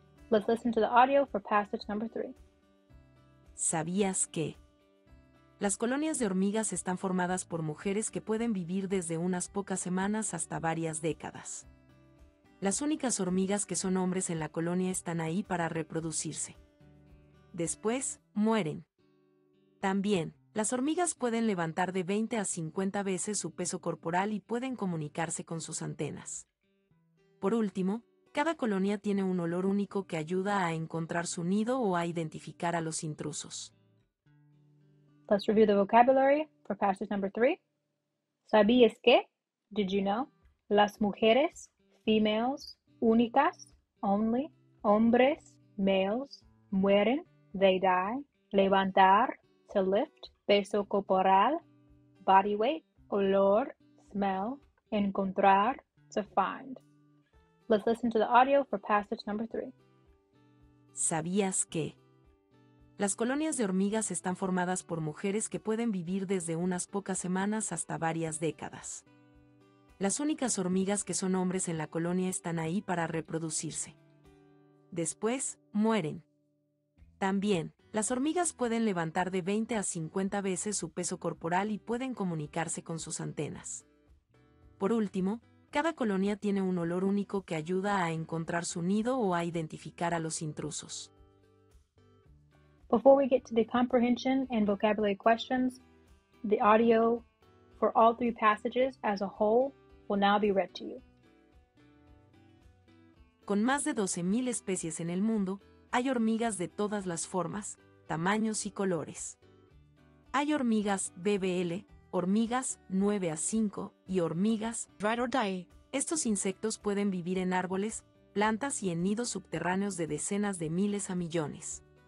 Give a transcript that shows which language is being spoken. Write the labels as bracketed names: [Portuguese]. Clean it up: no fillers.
[English] Let's listen to the audio for passage number 3. [Spanish] ¿Sabías que? Las colonias de hormigas están formadas por mujeres que pueden vivir desde unas pocas semanas hasta varias décadas. Las únicas hormigas que son hombres en la colonia están ahí para reproducirse. Después, mueren. También, las hormigas pueden levantar de 20 a 50 veces su peso corporal y pueden comunicarse con sus antenas. Por último, cada colonia tiene un olor único que ayuda a encontrar su nido o a identificar a los intrusos. [English] Let's review the vocabulary for passage number 3. [Spanish] ¿Sabías que? [English] Did you know? Las mujeres, females, únicas, only, hombres, males, mueren, they die, levantar, to lift, peso corporal, body weight, olor, smell, encontrar, to find. Let's listen to the audio for passage number 3. [Spanish] ¿Sabías que? Las colonias de hormigas están formadas por mujeres que pueden vivir desde unas pocas semanas hasta varias décadas. Las únicas hormigas que son hombres en la colonia están ahí para reproducirse. Después, mueren. También, las hormigas pueden levantar de 20 a 50 veces su peso corporal y pueden comunicarse con sus antenas. Por último, cada colonia tiene un olor único que ayuda a encontrar su nido o a identificar a los intrusos. [English] Before we get to the comprehension and vocabulary questions, the audio for all three passages as a whole will now be read to you. [Spanish] Con más de 12,000 especies en el mundo, hay hormigas de todas las formas, tamaños y colores. Hay hormigas BBL, hormigas 9 a 5 y hormigas [English] Ride or Die. [Spanish] Estos insectos pueden vivir en árboles, plantas y en nidos subterráneos de decenas de miles a millones.